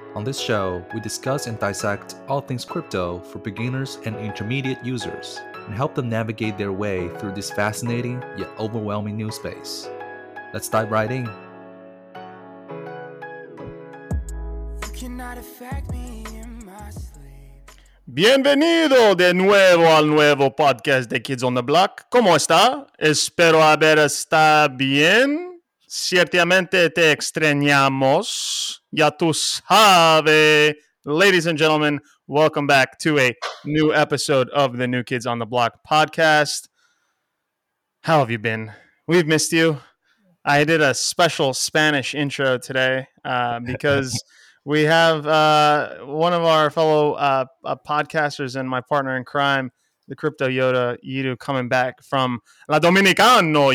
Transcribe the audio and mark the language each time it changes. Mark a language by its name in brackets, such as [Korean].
[English] On this show, we discuss and dissect all things crypto for beginners and intermediate users and help them navigate their way through this fascinating yet overwhelming new space. Let's dive right in. You cannot affect me in my sleep. [Spanish] Bienvenido de nuevo al nuevo podcast de Kids on the Block. ¿Cómo está? Espero haber estado bien. Ciertamente te extrañamos. Ya tú sabes. [English] Ladies and gentlemen, welcome back to a new episode of the New Kids on the Block podcast. How have you been? We've missed you. I did a special Spanish intro today because we have one of our fellow podcasters and my partner in crime, the Crypto Yoda, Yidu, coming back from La Dominicano.